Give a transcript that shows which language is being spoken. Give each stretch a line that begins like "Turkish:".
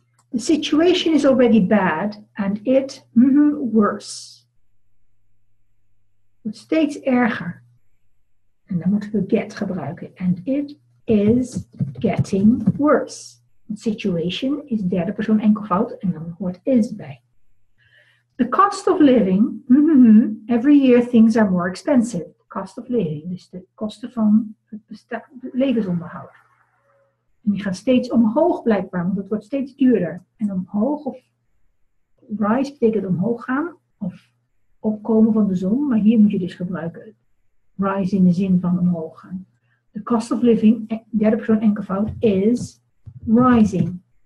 English: The situation is already bad and it worse.
Dutch: Wordt steeds erger. En dan moeten we get gebruiken.
English: And it is getting worse. The situation is
Dutch: derde persoon enkelvoud en dan hoort is bij.
English: The cost of living, every year things are more expensive.
Dutch: Cost of living, dus de kosten van het levensonderhoud. En die gaan steeds omhoog blijkbaar, want het wordt steeds duurder. En omhoog of rise betekent omhoog gaan of opkomen van de zon, maar hier moet je dus gebruiken rise in de zin van omhoog gaan.
English: The cost of living,
Dutch: derde persoon enkelvoud,
English: is rising.